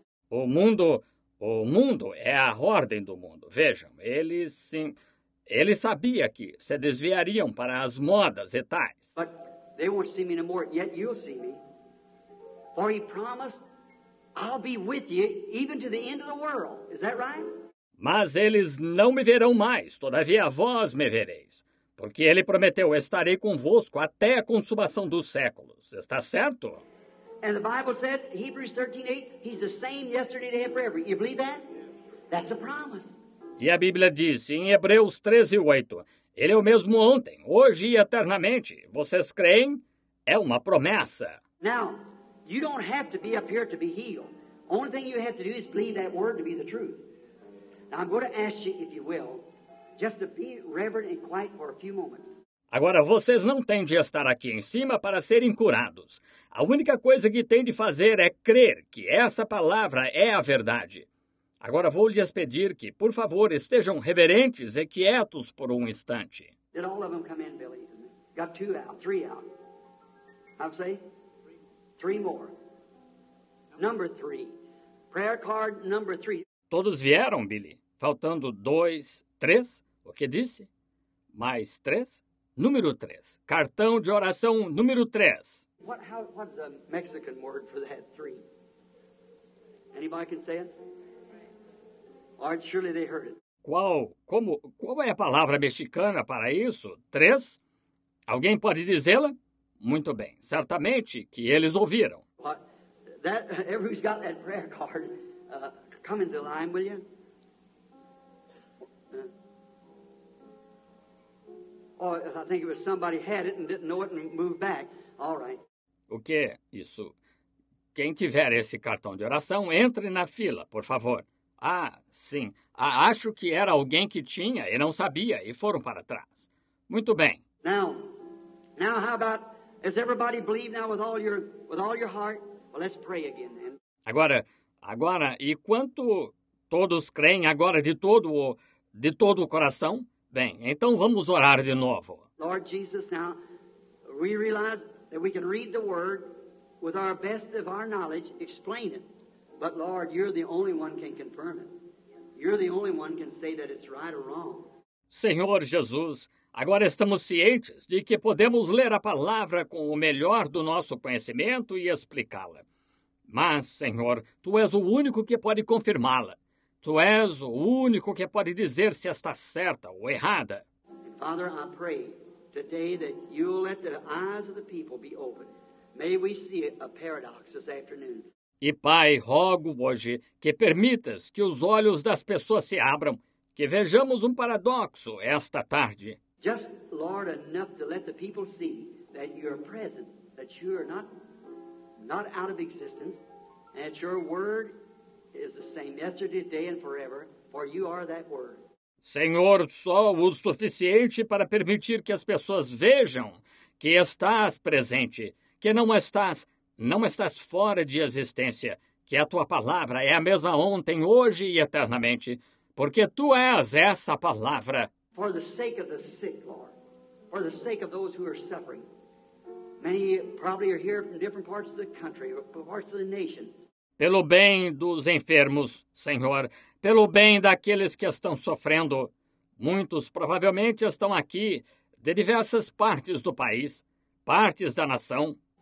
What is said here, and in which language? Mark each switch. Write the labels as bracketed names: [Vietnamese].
[Portuguese] O mundo é a ordem do mundo. Vejam, ele sabia que se desviariam para as modas e tais. [English] But they won't see me no more, yet you'll see me. For he promised, I'll be with you even to the end of the world. Is that right? [Portuguese] Mas eles não me verão mais, todavia vós me vereis. Porque ele prometeu, estarei convosco até a consumação dos séculos. Está certo? [English] And the Bible said, Hebrews 13:8, he's the same yesterday, today, and forever. You believe that? That's a promise. [Portuguese] E a Bíblia diz, em Hebreus 13:8, ele é o mesmo ontem, hoje e eternamente. Vocês creem? É uma promessa. [English] Now, you don't have to be up here to be healed. Only thing you have to do is believe that word to be the truth. Now, I'm going to ask you, if you will, just to be reverent and quiet for a few moments. [Portuguese] Agora, vocês não têm de estar aqui em cima para serem curados. A única coisa que têm de fazer é crer que essa palavra é a verdade. Agora vou lhes pedir que, por favor, estejam reverentes e quietos por um instante. [English] Did all of them come in, Billy? Got two out, three out. I'd say? Three more. Number three. Prayer card number three. [Portuguese] Todos vieram, Billy. Faltando dois, três. O que disse? Mais três? Número três. Cartão de oração número três. [English] What's the Mexican word for that three? Anybody can say it? Surely they heard it. [Portuguese] Qual é a palavra mexicana para isso? Três? Alguém pode dizê-la? Muito bem. Certamente que eles ouviram. [English] Everybody's got that prayer card. Come into line, will you? I think it was somebody had it and didn't know it and moved back. All right. [Portuguese] O que é isso? Quem tiver esse cartão de oração, entre na fila, por favor. Ah, sim. Ah, acho que era alguém que tinha e não sabia e foram para trás. Muito bem. [English] Now, how about, does everybody believe now with all your heart? Well, let's pray again then. [Portuguese] Agora, e quanto todos creem agora de todo o coração? Bem, então vamos orar de novo. [English] Lord Jesus, now we realize that we can read the word with our best of our knowledge, explain it. But Lord, you're the only one can confirm it. You're the only one can say that it's right or wrong. [Portuguese] Senhor Jesus, agora estamos cientes de que podemos ler a palavra com o melhor do nosso conhecimento e explicá-la. Mas, Senhor, tu és o único que pode confirmá-la. Tu és o único que pode dizer se está certa ou errada. [English] And Father, I pray today that you'll let the eyes of the people be open. May we see a paradox this afternoon. [Portuguese] E, Pai, rogo hoje que permitas que os olhos das pessoas se abram, que vejamos um paradoxo esta tarde. [English] Just, Lord, enough to let the people see that you are present, that you are not out of existence, and that your word is the same yesterday, today, and forever, for you are that word. [Portuguese] Senhor, só o suficiente para permitir que as pessoas vejam que estás presente, que não estás fora de existência, que a tua palavra é a mesma ontem, hoje e eternamente, porque tu és essa palavra. [English] For the sake of the sick, Lord, for the sake of those who are suffering, many probably are here from different parts of the country, or parts of the nation. [Portuguese] Pelo bem dos enfermos, Senhor, pelo bem daqueles que estão sofrendo, muitos provavelmente estão aqui de diversas partes do país, partes da nação.